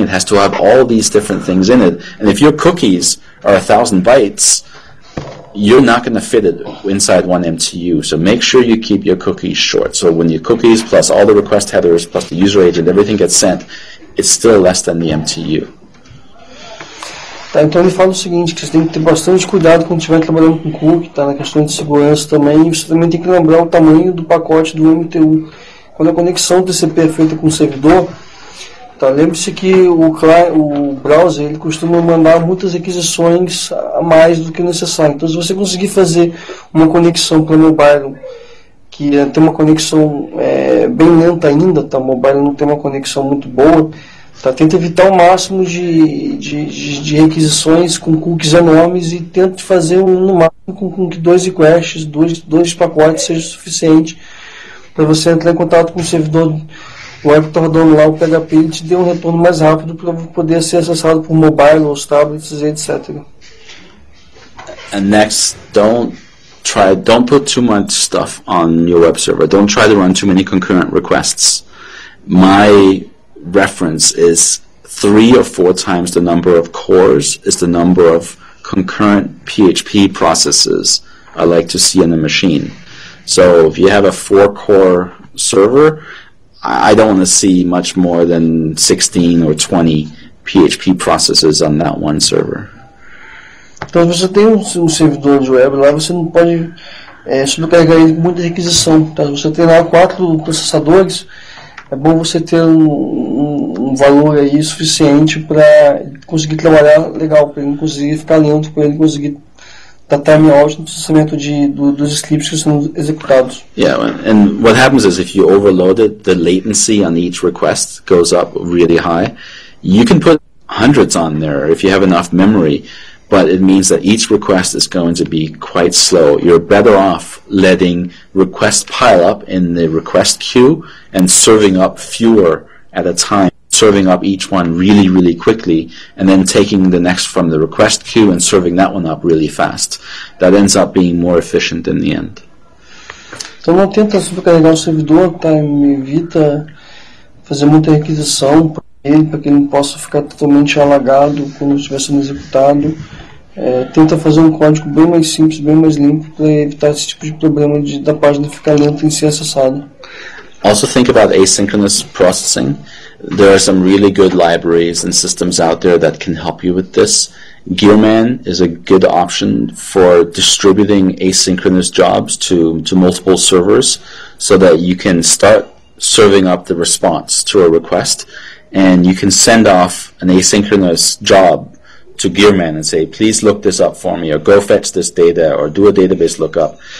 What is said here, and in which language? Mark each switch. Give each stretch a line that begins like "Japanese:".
English: It has to have all these different things in it. And if your cookies are 1,000 bytes, you're not going to fit it inside one MTU. So make sure you keep your cookies short. So when your cookies plus all the request headers plus the user agent, everything gets sent, it's still less than the MTU.
Portuguese: Tá, então ele fala o seguinte, que você tem que ter bastante cuidado quando estiver trabalhando com cookie, tá, na questão de segurança também. Você também tem que lembrar o tamanho do pacote do MTU. Quando a conexão do TCP é feita com o servidor, tá, lembre-se que o browser ele costuma mandar muitas requisições a mais do que necessário. Então, se você conseguir fazer uma conexão para o mobile, que tem uma conexão bem lenta ainda, tá, o mobile não tem uma conexão muito boa, tá, tenta evitar o máximo de requisições com cookies enormes e tenta fazer um no máximo com que dois requests, dois pacotes seja o suficiente para você entrar em contato com o servidor web que está rodando lá, o PHP, e te dê um retorno mais rápido para poder ser acessado por mobile, os tablets, etc.
English: And next, don't put too much stuff on your web server. Don't try to run too many concurrent requests. My reference is 3 or 4 times the number of cores is the number of concurrent PHP processes I like to see in the machine. So if you have a 4-core server, I don't want to see much more than 16 or 20 PHP processes on that one server.
Portuguese: Então, se você tem um servidor de web lá, você não pode sobrecarregar muita requisição. Então, se você tem lá 4 processadores, é bom você ter um valor aí suficiente para conseguir trabalhar legal, para ele conseguir ficar lento, para ele conseguir da time out no processamento dos scripts que são executados.
English: Yeah, and what happens is if you overload it, the latency on each request goes up really high. You can put hundreds on there if you have enough memory, but it means that each request is going to be quite slow. You're better off letting requests pile up in the request queue and serving up fewer at a time. Serving up each one really, really quickly, and then taking the next from the request queue and serving that one up really fast. That ends up being more efficient in the end.
Portuguese: Então não tenta sobrecarregar o servidor, tá? Me evita fazer muita requisição para que ele não possa ficar totalmente alagado quando estiver sendo executado. Tenta fazer um código bem mais simples, bem mais limpo, para evitar esse tipo de problema da página ficar lenta em ser acessada.
English: Also think about asynchronous processing. There are some really good libraries and systems out there that can help you with this. Gearman is a good option for distributing asynchronous jobs to multiple servers so that you can start serving up the response to a request and you can send off an asynchronous job to Gearman and say, please look this up for me or go fetch this data or do a database lookup.